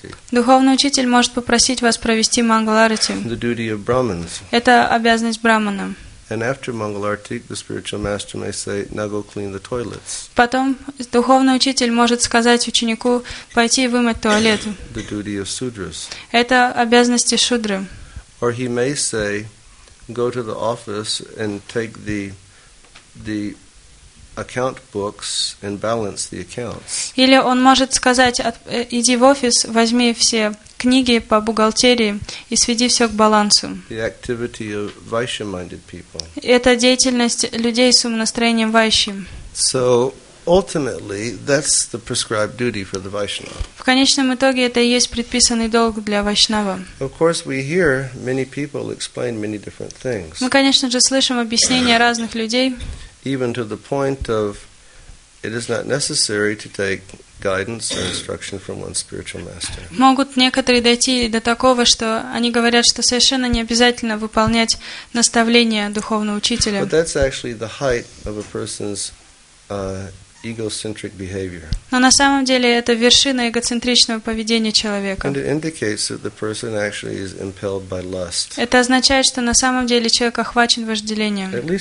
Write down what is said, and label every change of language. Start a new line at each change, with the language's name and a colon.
Russian: Духовный учитель может попросить вас провести мангаларти. Это обязанность брахмана.
English: And after Mangalarti, the spiritual master may say, "Now go clean the toilets."
Russian: Потом духовный учитель может сказать ученику пойти вымыть туалет.
English: The duty of sudras.
Russian: Это обязанности шудры.
English: Or he may say, "Go to the office and take the account books and balance the accounts."
Russian: Или он может сказать, иди в офис, возьми все книги по бухгалтерии и сведи все к балансу.
English: The activity of vaishya-minded people.
Russian: Это деятельность людей с умонастроением вайши.
English: So, ultimately, that's the prescribed duty for the Vaishnava.
Russian: В конечном итоге это и есть предписанный долг для вайшнава.
English: Of course, we hear many people explain many different things.
Russian: Мы, конечно же, слышим объяснения разных людей.
English: Even to the point of it is not necessary to take guidance or instruction from one spiritual master.
Russian: Могут некоторые дойти до такого, что они говорят, что совершенно не обязательно выполнять наставления духовного учителя.
English: But that's actually the height of a person's egocentric behavior.
Russian: Но на самом деле это вершина эгоцентричного поведения человека.
English: And it indicates that the person actually is impelled by lust.
Russian: Это означает, что на самом деле человек охвачен вожделением.